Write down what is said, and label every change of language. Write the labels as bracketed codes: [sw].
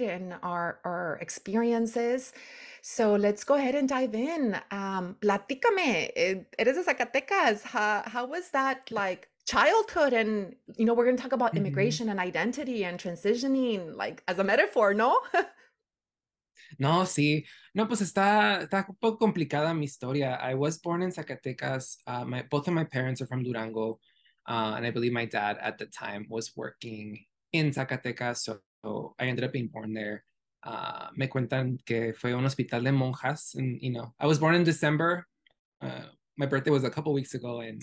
[en] And our experiences. So let's go ahead and dive in. [es] Platícame, eres de Zacatecas. [en] How was that like childhood? And, you know, we're going to talk about immigration and identity and transitioning, like as a metaphor, no? [es] No, sí. No, pues está un poco complicada mi historia. [en] I was born in Zacatecas. Both of my parents are from Durango. And I believe my dad at the time was working in Zacatecas, so I ended up being born there. [es] Me cuentan que fue un hospital de monjas, [en] and you know, I was born in December. My birthday was a couple weeks ago, and